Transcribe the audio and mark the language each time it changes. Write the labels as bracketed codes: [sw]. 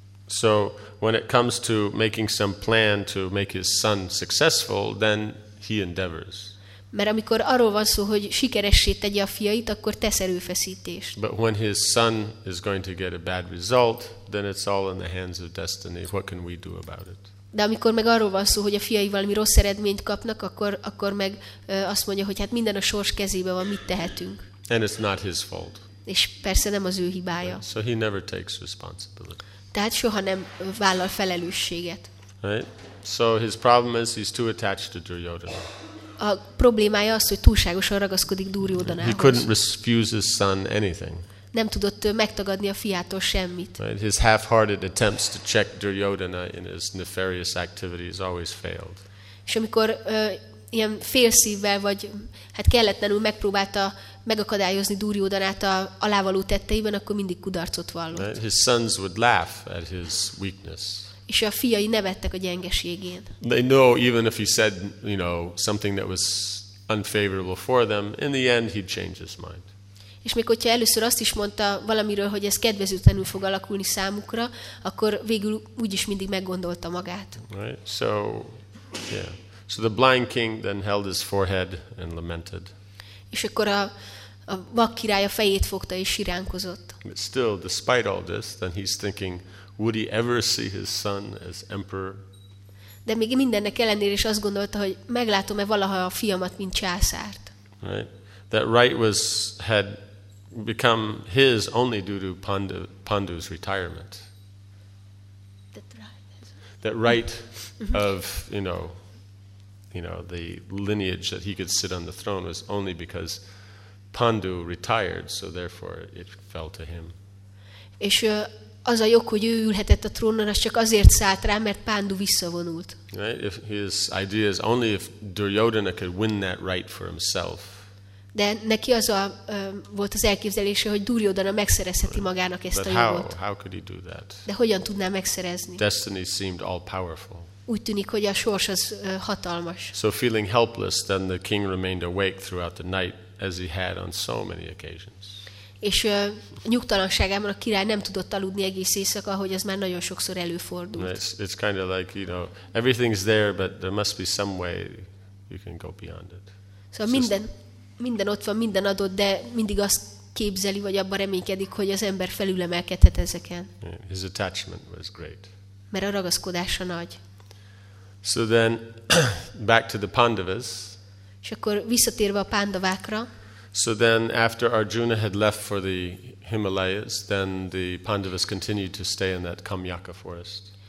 [en] So when it comes to making some plan to make his son successful, then he endeavors. [hu] Mert amikor arról van szó, hogy sikeressé tegye a fiait, akkor tesz erőfeszítést. [en] But when his son is going to get a bad result, then it's all in the hands of destiny. What can we do about it? [hu] De amikor meg arról van szó, hogy a fiai valami rossz eredményt kapnak, akkor meg azt mondja, hogy hát minden a sors kezében van, mit tehetünk. [en] And it's not his fault. [hu] És persze nem az ő hibája. [en] Right. So he never takes responsibility. [hu] Tehát soha nem vállal felelősséget. [en] Right? So his problem is he's too attached to Duryodhana. [hu] A problémája az, hogy túlságosan ragaszkodik Duryodhanához. [en] He couldn't refuse his son anything. [hu] Nem tudott megtagadni a fiától semmit. [en] Right? His half-hearted attempts to check Duryodhana in his nefarious activities always failed. [hu] És amikor ilyen félszívvel vagy hát kelletlenül megpróbálta megakadályozni Duryodhanát a alávaló tetteiben, akkor mindig kudarcot vallott. [en] Right? His sons would laugh at his weakness. [hu] És a fiai nevettek a gyengeségén. [en] They know even if he said, you know, something that was unfavorable for them, in the end he'd change his mind. [hu] És még hogyha először azt is mondta valamiről, hogy ez kedvezőtlenül fog alakulni számukra, akkor végül úgyis mindig meggondolta magát. [en] Right. So, yeah. So the blind king then held his forehead and lamented. [hu] És akkor a vak király a fejét fogta és siránkozott. [en] But still, despite all this, then he's thinking, would he ever see his son as emperor? [hu] De még mindennek ellenére is azt gondolta, hogy meglátom-e valaha a fiamat mint császárt. [en] Right. That right was had become his only due to Pandu's retirement. That right of, you know, the lineage that he could sit on the throne was only because Pandu retired, so therefore it fell to him. [hu] És az a jog, hogy ő ülhetett a trónon, az csak azért szállt rá, mert Pandu visszavonult. [en] Right? If his idea is only if Duryodhana could win that right for himself. [hu] De neki az a volt az elképzelése, hogy Duryodhana megszerezheti magának ezt [en] But [hu] a jogot. [en] How could he do that? [hu] De hogyan tudná megszerezni? [en] Destiny seemed all powerful. [hu] Úgy tűnik, hogy a sors az hatalmas. [en] So feeling helpless, then the king remained awake throughout the night, as he had on so many occasions. [hu] És nyugtalanságában a király nem tudott aludni egész éjszaka, ahogy az már nagyon sokszor előfordult. [en] It's kind of like, you know, everything's there, but there must be some way you can go beyond it. [hu] Szóval minden ott van, minden adott, de mindig azt képzeli, vagy abban reménykedik, hogy az ember felülemelkedhet ezeken. [en] Yeah, his attachment was great. [hu] Mert a ragaszkodása nagy. [en] So then, back to the Pandavas. [hu] És akkor visszatérve a Pandavákra. [en] So then, after Arjuna had left for the Himalayas, then the Pandavas continued to stay in that Kamyaka forest.